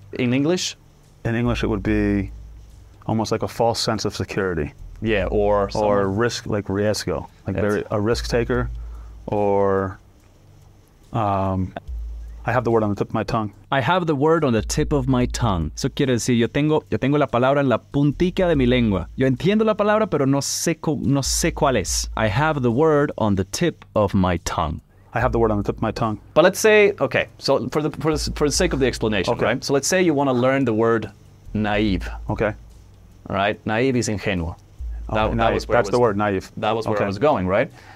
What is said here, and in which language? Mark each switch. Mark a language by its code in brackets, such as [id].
[en] In English? In English, it would be almost like a false sense of security. Yeah, or... Or a risk, like riesgo. Like very, a risk taker, or... I have the word on the tip of my tongue. I have the word on the tip of my tongue. [es] Eso quiere decir, yo tengo la palabra en la puntica de mi lengua. Yo entiendo la palabra, pero no sé cuál es. [en] I have the word on the tip of my tongue. I have the word on the tip of my tongue. But let's say, okay, so for the sake of the explanation, okay. Right? So let's say you want to learn the word naive. Okay. All right? Naive is ingenuo. That was where okay. I was going, right?